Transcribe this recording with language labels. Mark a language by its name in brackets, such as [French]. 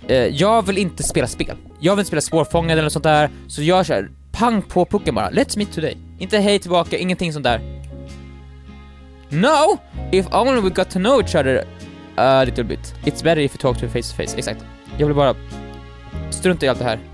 [Swedish] Jag vill inte spela spel. Jag vill inte spela svårfångad eller sånt där. Så jag kör pang på pucken bara. [English] Let's meet today. [Swedish] Inte hej tillbaka, ingenting sånt där. [English] No, if only we got to know each other a little bit. It's better if you talk to face to face. [Swedish] Exakt. Jag vill bara strunta i allt det här.